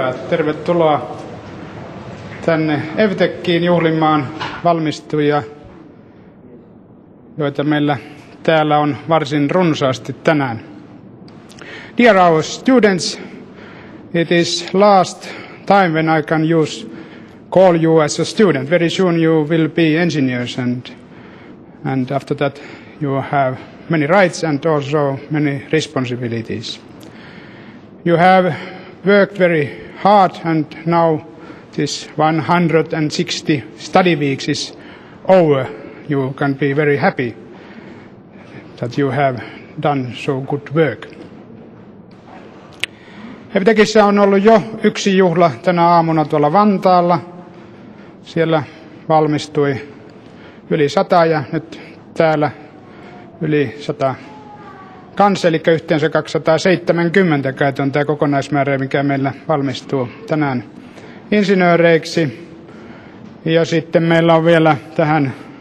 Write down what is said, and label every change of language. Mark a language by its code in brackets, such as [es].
[fi] Tervetuloa tänne Evtekkiin juhlimaan valmistujia, joita meillä täällä on varsin runsaasti tänään. [en] Dear our students, it is last time when I can use call you as a student. Very soon you will be engineers and after that you have many rights and also many responsibilities. You have worked very hard, and now this 160 study weeks is over. You can be very happy that you have done so good work. [fi] Evtekissä on ollut jo yksi juhla tänä aamuna tuolla Vantaalla. Siellä valmistui yli 100 ja nyt täällä yli 100 kanssa, eli yhteensä 270 käytön tämä kokonaismäärä, mikä meillä valmistuu tänään insinööreiksi. Ja sitten meillä on vielä tähän